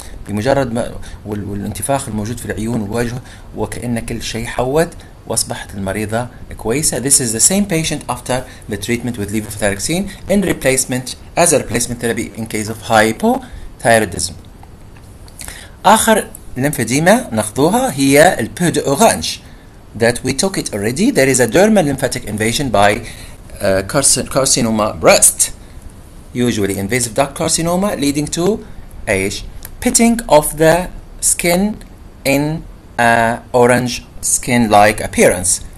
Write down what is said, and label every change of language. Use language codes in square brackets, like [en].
[ar] لمجرد ما والانتفاخ الموجود في العيون والوجه وكأن كل شيء حوت واصبحت المريضة كويسة. [en] This is the same patient after the treatment with levothyroxine in replacement as a replacement therapy in case of hypothyroidism. [ar] آخر لمفديمة نأخذها هي البود أورانج [en] that we took it already. There is a dermal lymphatic invasion by carcinoma breast, usually invasive duct carcinoma leading to a pitting of the skin in orange skin-like appearance.